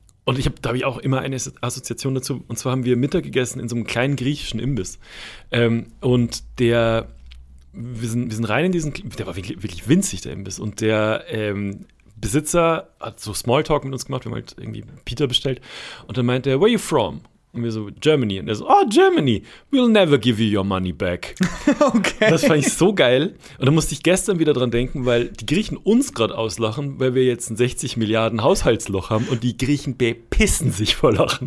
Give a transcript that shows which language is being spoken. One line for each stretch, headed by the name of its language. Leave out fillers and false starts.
German: Und da habe ich auch immer eine Assoziation dazu. Und zwar haben wir Mittag gegessen in so einem kleinen griechischen Imbiss. Wir sind rein in diesen, der war wirklich, wirklich winzig, der Imbiss. Und der Besitzer hat so Smalltalk mit uns gemacht. Wir haben halt irgendwie Pita bestellt. Und dann meint er,
English: where are you from?
German: Und wir so, Germany. Und er so,
English: oh, Germany, we'll never give you your money back.
German: Okay. Das fand ich so geil. Und da musste ich gestern wieder dran denken, weil die Griechen uns gerade auslachen, weil wir jetzt ein 60 Milliarden Haushaltsloch haben und die Griechen bepissen sich vor Lachen.